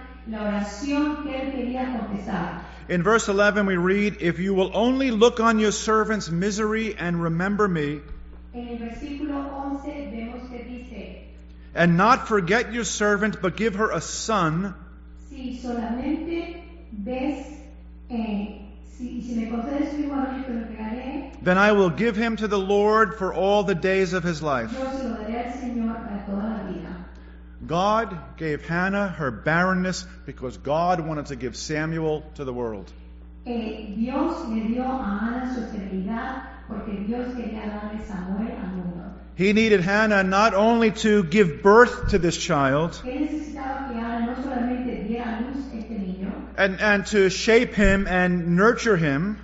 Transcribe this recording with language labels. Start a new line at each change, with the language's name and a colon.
Spanish: la oración que él quería confesar.
English: In verse 11 we read, if you will only look on your servant's misery and remember me,
Spanish: en el versículo 11 vemos que dice,
English: and not forget your servant but give her a son,
Spanish: si solamente ves si me concedes tu hijo, te lo regalaré,
English: then I will give him to the Lord for all the days of his life.
Spanish: Yo se lo daré al Señor para toda la vida.
English: God gave Hannah her barrenness because God wanted to give Samuel to the world.
Spanish: Dios le dio a Ana su esterilidad porque Dios quería darle Samuel al mundo.
English: He needed Hannah not only to give birth to this child,
Spanish: él necesitaba que Ana no solamente diera a luz este niño,
English: and to shape him and nurture him,